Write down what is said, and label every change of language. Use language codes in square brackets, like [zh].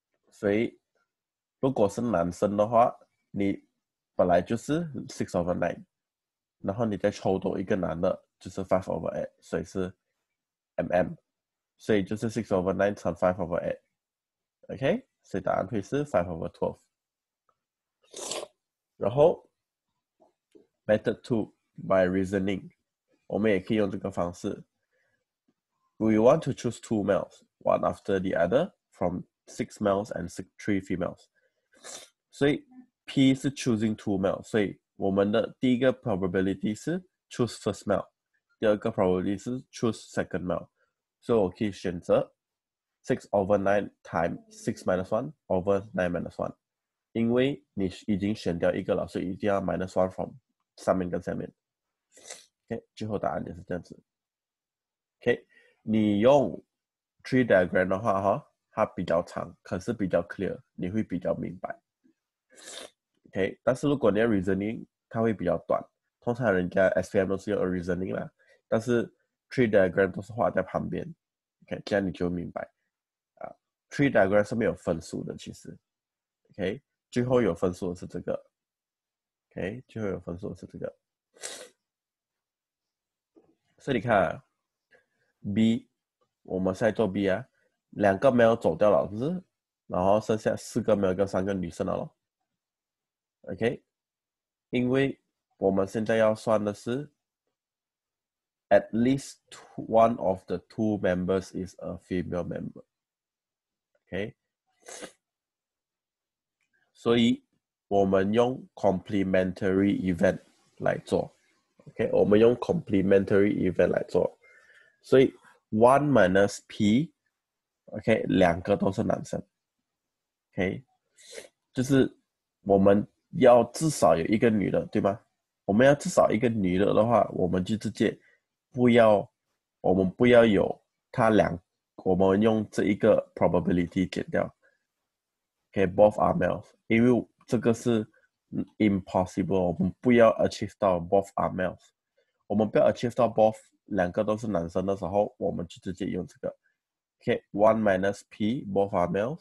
[zh] 所以如果是男生的话，你本来就是 6/9， 然后你再抽多一个男的就是 5/8， 所以是 mm， 所以就是6/9×5/8， OK， 所以答案会是5/12。然后 [en] method 2 by reasoning， [zh] 我们也可以用这个方式。 [en] We want to choose two males one after the other from six males and three females. [zh] 所以 P 是 [en] choosing two males. [zh] 所以我们的第一个 probability 是 [en] choose first male. [zh] 第二个 probability 是 [en] choose second male. [zh] 所以我可以选择6/9×6-1/9-1. 因为你已经选掉一个了，所以一定要 minus one from 上面跟下面。 OK， 最后答案就是这样子。 OK， 你用 tree diagram 的话，哈。它比较长，可是比较 clear， 你会比较明白。 OK， 但是如果你要 reasoning， 它会比较短。通常人家 SPM 都是用 reasoning 啦，但是 tree diagram 都是画在旁边。 OK， 这样你就明白。 tree diagram 是没有分数的，其实。OK， 最后有分数的是这个。 OK， 最后有分数的是这个。所以你看 ，B， 我们是在做 B 啊。两个 male 走掉了，是不是？然后剩下四个 male 跟三个女生了咯。 OK， 因为我们现在要算的是 ， [en] at least one of the two members is a female member。 [zh] OK， 所以我们用 complementary event 来做。 OK， 我们用 complementary event 来做，所以 one minus p。 OK， 两个都是男生。 OK， 就是我们要至少有一个女的，对吗？我们要至少一个女的话，我们就直接不要，我们不要有他两，我们用这一个 probability 减掉。 OK， [en] both are males， [zh] 因为这个是 impossible， 我们不要 achieve 到 both are males， 我们不要 achieve 到 both 两个都是男生的时候，我们就直接用这个。 [en] Okay, one minus p both are male.